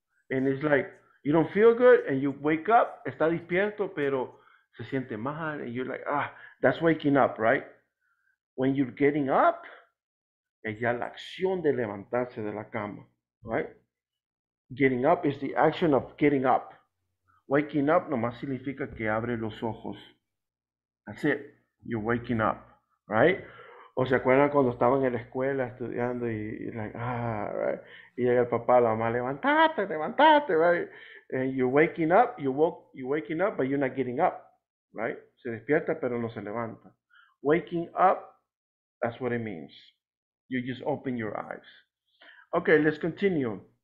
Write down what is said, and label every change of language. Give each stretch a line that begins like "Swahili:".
English: And it's like, you don't feel good, and you wake up,
Spanish: está despierto, pero se siente mal,
English: and you're like, ah, that's waking up, right? When you're getting up,
Spanish: es ya la acción de levantarse de la cama, right?
English: Getting up is the action of getting up.
Spanish: Waking up nomás significa que abre los ojos.
English: That's it. You're waking up, right?
Spanish: ¿O se acuerdan cuando estaban en la escuela estudiando y like, right? Y llega el papá, la mamá, levantate, levantate, right?
English: And you're waking up, you're waking up, but you're not getting up, right?
Spanish: Se despierta, pero no se levanta.
English: Waking up, that's what it means. You just open your eyes. Okay, let's continue.